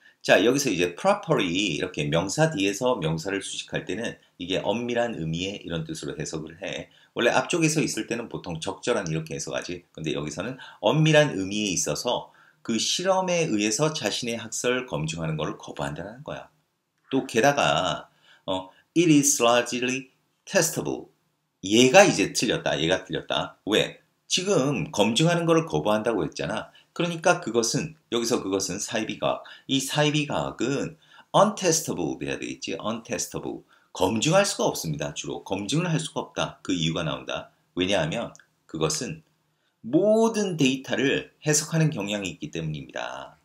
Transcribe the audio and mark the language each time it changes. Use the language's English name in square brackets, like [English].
[Korean] 자, 여기서 이제 properly 이렇게 명사 뒤에서 명사를 수식할 때는 이게 엄밀한 의미의 이런 뜻으로 해석을 해. 원래 앞쪽에서 있을 때는 보통 적절한 이렇게 해석하지. 근데 여기서는 엄밀한 의미에 있어서 그 실험에 의해서 자신의 학설 검증하는 것을 거부한다는 거야. 또 게다가, [English] it is largely testable. [Korean] 얘가 이제 틀렸다. 얘가 틀렸다. 왜? 지금 검증하는 것을 거부한다고 했잖아. 그러니까 그것은, 여기서 그것은 사이비과학. 이 사이비과학은 untestable 돼야 되겠지. untestable. 검증할 수가 없습니다. 주로. 검증을 할 수가 없다. 그 이유가 나온다. 왜냐하면 그것은 모든 데이터를 해석하는 경향이 있기 때문입니다.